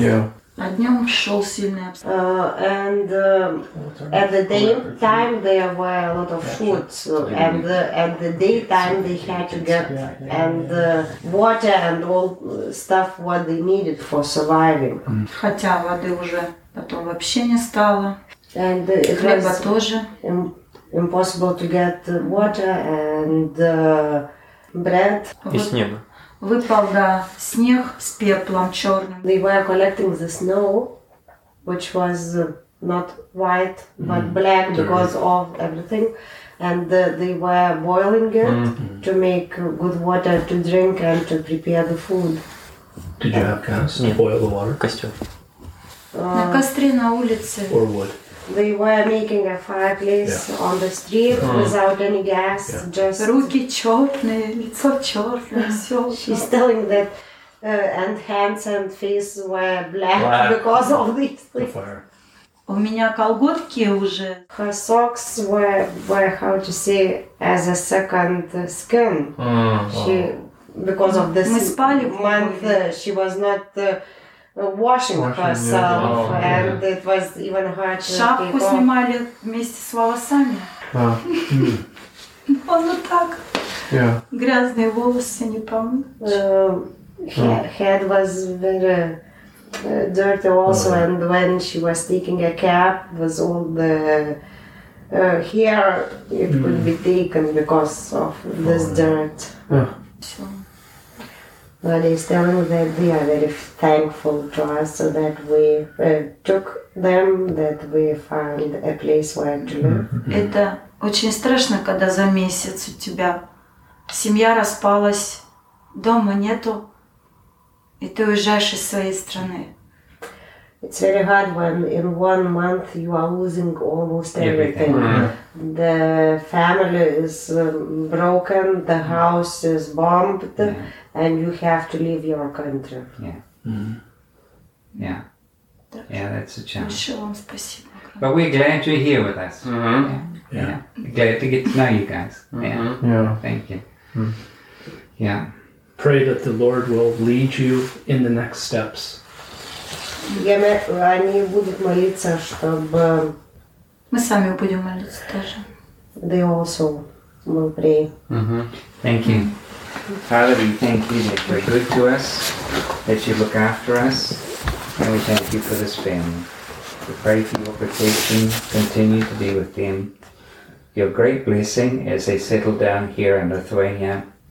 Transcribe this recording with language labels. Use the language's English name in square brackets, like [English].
[English] Yeah. [Russian] А днем шел сильный обстрел. [English] And at the daytime there were a lot of shoots, and at the daytime they had to get water and all stuff what they needed for surviving. [Russian] Хотя воды уже потом вообще не стало. [English] And [Russian] хлеба тоже. [English] Impossible to get water and bread. [Russian] И снега. Выпал, да, снег с пеплом черным. [English] They were collecting the snow, which was not white, but black because of everything. And they were boiling it to make good water to drink and to prepare the food. Did you have gas to boil the water? [Russian] Костер. На костре на улице. [English] Or wood. They were making a fireplace on the street without any gas, just... [Russian] Руки черные, лицо черное, все. [English] She's telling that and hands and face were black because of these things. The fire. [Russian] У меня колготки уже. [English] Her socks were how to say, as a second skin. She, because of this [Russian] Мы спали [English] month, she was not... washing herself, and it was even hard to [Russian] Шапку [English] take off. [Russian] Шапку снимали вместе с волосами. Он вот так. [English] Yeah. [Russian] Грязные волосы не помыть. [English] Head was very dirty also, and when she was taking a cap, was all the hair it could be taken because of this dirt. Yeah. But he's telling that they are very thankful to us so that we took them, that we found a place where to live. [Russian] Это очень страшно, когда за месяц у тебя семья распалась, дома нету, и ты уезжаешь из своей страны. [English] It's very hard when in 1 month you are losing almost everything. The family is broken, the house is bombed, and you have to leave your country. That's a challenge. [Russian] Большое вам спасибо. [English] But we're glad you're here with us. Glad to get to know you guys. Thank you. Pray that the Lord will lead you in the next steps. [Russian] Они будут молиться, чтобы... Мы сами будем молиться тоже. [English] They also will pray. Thank you. Father, we thank you that you're good to us, that you look after us, and we thank you for this family. We pray for your protection, continue to be with them. Your great blessing as they settle down here in Lithuania.